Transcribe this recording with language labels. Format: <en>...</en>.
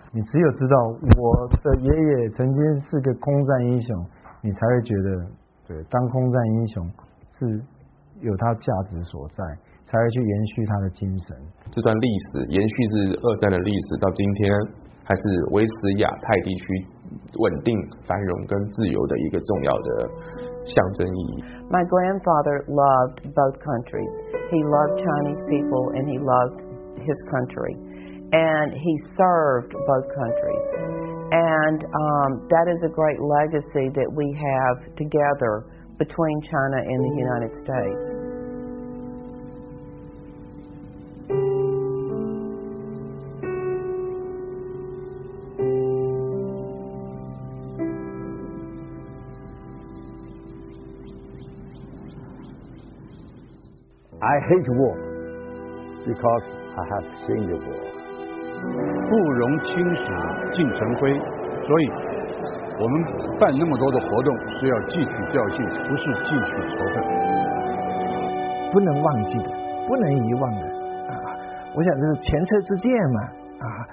<zh>你只有知道我的爷爷曾经是个空战英雄，你才会觉得对当空战英雄是有他价值所在，才会去延续他的精神。这段历史延续是二战的历史，到今天还是维持亚太地区稳定繁荣跟自由的一个重要的象征意义。</zh> <en>My grandfather loved both countries. He loved Chinese people and he loved his country. And he served both countries. And that is a great legacy that we have together between China and the United States. I hate war because I have seen the war.</en> <zh>不容轻史尽成灰，所以我们办那么多的活动是要汲取教训，不是汲取仇恨。不能忘记的，不能遗忘的啊！我想这是前车之鉴嘛啊！</zh>